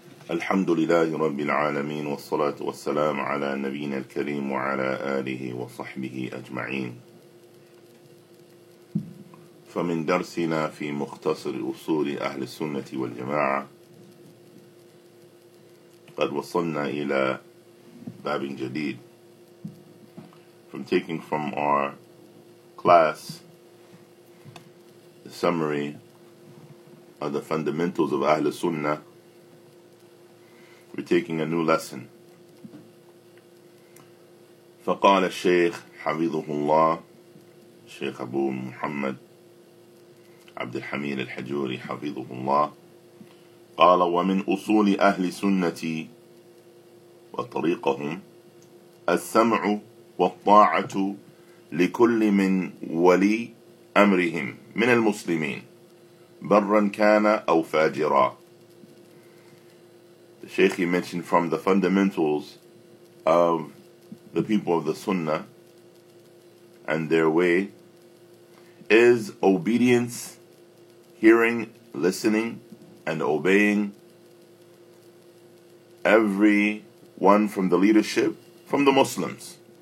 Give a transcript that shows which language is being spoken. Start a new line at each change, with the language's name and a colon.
Arabic: الحمد لله رب العالمين، والصلاة والسلام على نبينا الكريم وعلى آله وصحبه أجمعين. فمن درسنا في مختصر أصول أهل السنة والجماعة قد وصلنا إلى باب جديد.
English: From taking from our class the summary of the fundamentals of Ahl Sunnah, we're taking a new lesson.
Arabic: فَقَالَ الشَّيْخ حَفِظُهُ اللَّهُ شَيْخ أبو محمد عبد الحميد الحجوري حفظه الله قال وَمِنْ أُصُولِ أَهْلِ سُنَّةِ وَطَرِيقَهُمْ السَّمْعُ وَالطَّاعَةُ لِكُلِّ مِنْ وَلِي أَمْرِهِمْ من المسلمين برًا كان أو فاجرًا.
English: The Shaykh mentioned from the fundamentals of the people of the Sunnah and their way is obedience, hearing, listening, and obeying every one from the leadership from the Muslims.